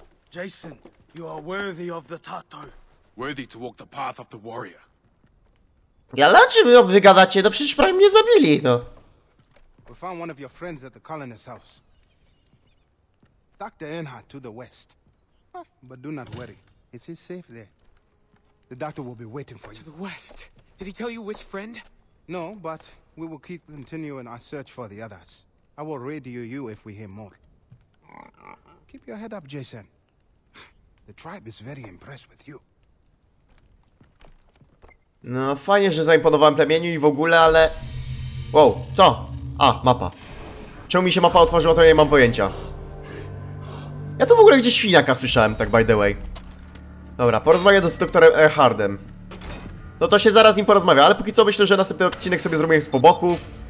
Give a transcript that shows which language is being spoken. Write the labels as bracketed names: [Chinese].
[English] Jason, you are worthy of the Tato. Worthy to walk the path of the warrior. [Polish] Ja, dlaczego wy wygadacie? No przecież prawie mnie zabili, no. [English] We found one of your friends at the colonist's house. Dr. Earnhardt to the west. But do not worry. Is he safe there? The doctor will be waiting for you. To the west? Did he tell you which friend? No, but we will keep continuing our search for the others. I will radio you if we hear more. Keep your head up, Jason. The tribe is very impressed with you. [Polish] No, fajnie, że zaimponowałem plemieniu i w ogóle, ale... Wow, co? A, mapa. Czemu mi się mapa otworzyła, to ja nie mam pojęcia. Ja tu w ogóle gdzieś świniaka słyszałem, tak [English] by the way. [Polish] Dobra, porozmawiam z doktorem Earnhardtem. No to się zaraz z nim porozmawia, ale póki co myślę, że następny odcinek sobie zrobię z poboków.